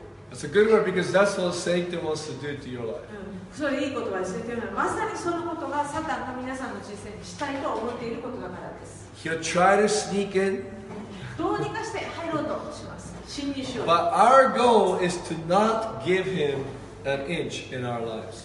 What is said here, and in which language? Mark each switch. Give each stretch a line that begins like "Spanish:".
English: That's a good word because that's what Satan wants to do to your life.
Japanese: それいい言葉ですね。というのはまさにそのことがサタンが皆さんの人生にしたいと思っていることだからです。
English: He'll try to sneak in.
Japanese: どうにかして入ろうとします。
English: But our goal is to not give him an inch in our lives.